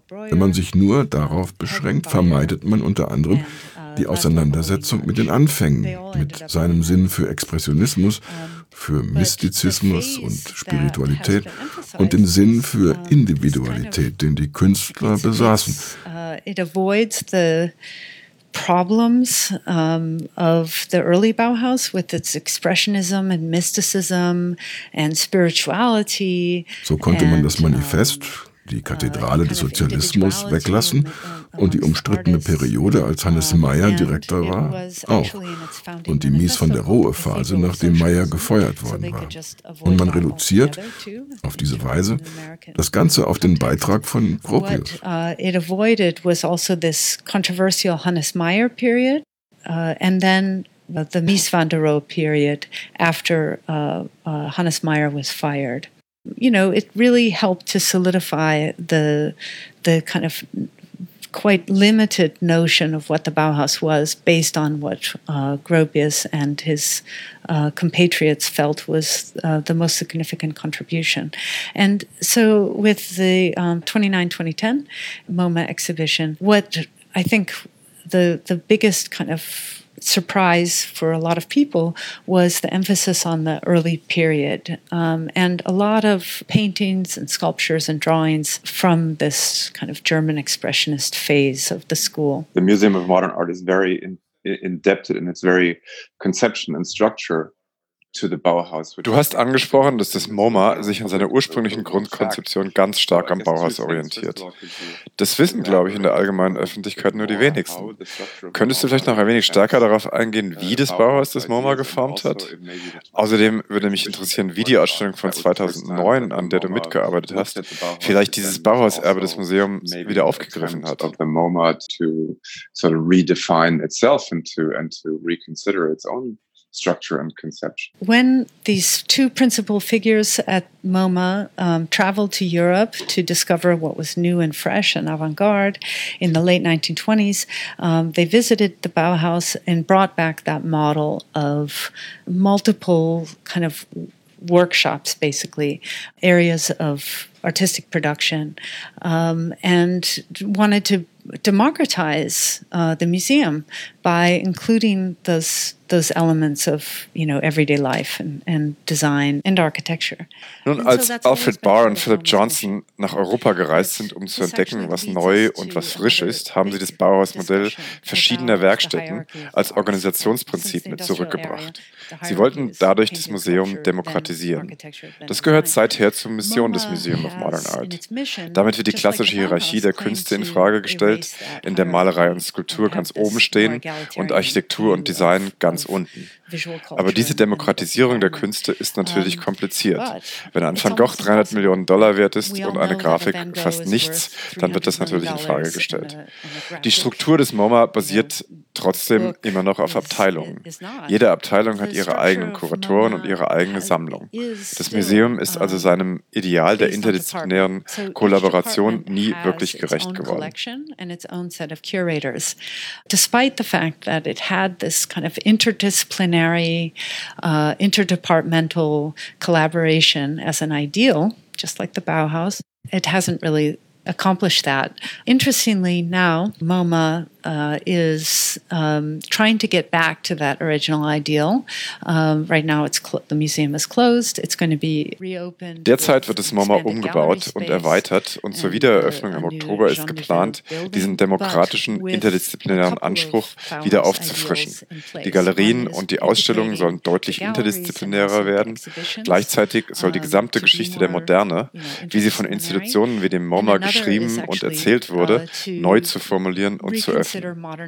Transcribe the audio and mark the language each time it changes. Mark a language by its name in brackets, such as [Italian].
[German] Wenn man sich nur darauf beschränkt, vermeidet man unter anderem die Auseinandersetzung mit den Anfängen, mit seinem Sinn für Expressionismus, für Mystizismus und Spiritualität und dem Sinn für Individualität, den die Künstler besaßen. [English] It avoids the problems of the early Bauhaus with its expressionism and mysticism and spirituality. [German] So konnte man das Manifest, die Kathedrale des Sozialismus, weglassen und die umstrittene Periode, als Hannes Meyer Direktor war, auch. Und die Mies van der Rohe-Phase, nachdem Meyer gefeuert worden war. Und man reduziert auf diese Weise das Ganze auf den Beitrag von Gropius. [English] What it avoided was also this controversial Hannes Meyer period and then the Mies van der Rohe period after Hannes Meyer was fired. You know, it really helped to solidify the kind of quite limited notion of what the Bauhaus was based on what Gropius and his compatriots felt was the most significant contribution. And so with the 29-2010 MoMA exhibition, what I think the biggest kind of surprise for a lot of people was the emphasis on the early period and a lot of paintings and sculptures and drawings from this kind of German expressionist phase of the school. The Museum of Modern Art is very in-depth in its very conception and structure to the Bauhaus. [German] Du hast angesprochen, dass das MoMA sich an seiner ursprünglichen Grundkonzeption ganz stark am Bauhaus orientiert. Das wissen, glaube ich, in der allgemeinen Öffentlichkeit nur die wenigsten. Könntest du vielleicht noch ein wenig stärker darauf eingehen, wie das Bauhaus das MoMA geformt hat? Außerdem würde mich interessieren, wie die Ausstellung von 2009, an der du mitgearbeitet hast, vielleicht dieses Bauhaus-Erbe des Museums wieder aufgegriffen hat. [English] The MoMA to sort of redefine itself and to reconsider its own structure and conception. When these two principal figures at MoMA traveled to Europe to discover what was new and fresh and avant-garde in the late 1920s, they visited the Bauhaus and brought back that model of multiple kind of workshops, basically, areas of artistic production, and wanted to democratize the museum by including those those elements of, you know, everyday life and design and architecture. [German] Nun, and als so Alfred Barr und Philip Johnson nach Europa gereist sind, um zu entdecken, was neu und was frisch ist, haben sie das Bauhausmodell verschiedener Werkstätten als Organisationsprinzip mit zurückgebracht. Sie wollten dadurch das Museum demokratisieren. Das gehört seither zur Mission des Museum of Modern Art. Damit wird die klassische Hierarchie der Künste in Frage gestellt, in der Malerei und Skulptur ganz oben stehen und Architektur und Design ganz unten. Aber diese Demokratisierung der Künste ist natürlich kompliziert. Wenn ein Van Gogh 300 Millionen Dollar wert ist und eine Grafik fast nichts, dann wird das natürlich in Frage gestellt. Die Struktur des MoMA basiert trotzdem immer noch auf Abteilungen. Jede Abteilung hat ihre eigenen Kuratoren und ihre eigene Sammlung. Das Museum ist also seinem Ideal der interdisziplinären Kollaboration nie wirklich gerecht geworden. [English] Despite the fact that it had this kind of interdisciplinary, interdepartmental collaboration as an ideal, just like the Bauhaus, it hasn't really accomplished that. Interestingly, now MoMA is trying to get back to that original ideal. Right now, the museum is closed. It's going to be reopened. [German] Derzeit wird das MoMA umgebaut und erweitert, und zur Wiedereröffnung im Oktober ist geplant, diesen demokratischen, interdisziplinären Anspruch wieder aufzufrischen. Die Galerien und die Ausstellungen sollen deutlich interdisziplinärer werden. Gleichzeitig soll die gesamte Geschichte der Moderne, wie sie von Institutionen wie dem MoMA geschrieben und erzählt wurde, neu zu formulieren und zu öffnen.